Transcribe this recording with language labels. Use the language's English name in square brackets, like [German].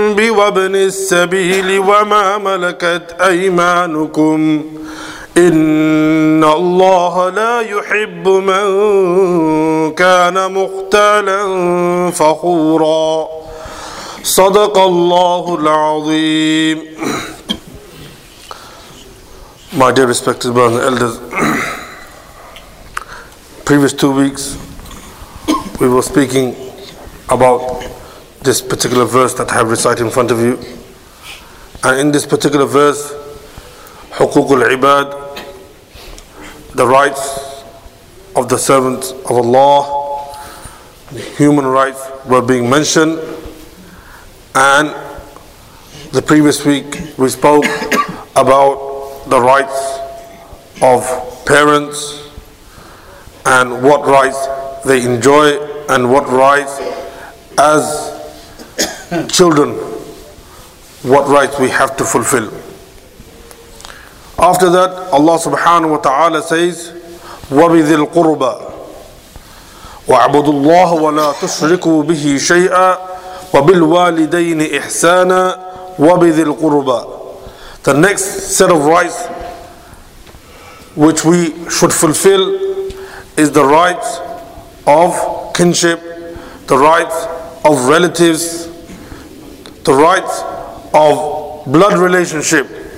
[Arabic] وابن السبيل وما ملكت أيمانكم إن الله لا يحب من كان مختالا فخورا صدق الله العظيم. [English] My dear respected brothers and elders, previous 2 weeks we were speaking about this particular verse that I have recited in front of you, and in this particular verse, [Arabic] حقوق العباد, [English] the rights of the servants of Allah, human rights were being mentioned. And the previous week we spoke about the rights of parents and what rights they enjoy and what rights as children, what rights we have to fulfill. After that, Allah subhanahu wa ta'ala says, [Arabic] وَبِذِ الْقُرْبَى وَاعْبُدُ اللَّهَ وَلَا تُشْرِكُوا بِهِ شَيْئًا وَبِالْوَالِدَيْنِ إِحْسَانًا وَبِذِ الْقُرْبَى. [English] The next set of rights which we should fulfill is the rights of kinship, the rights of relatives, the rights of blood relationship.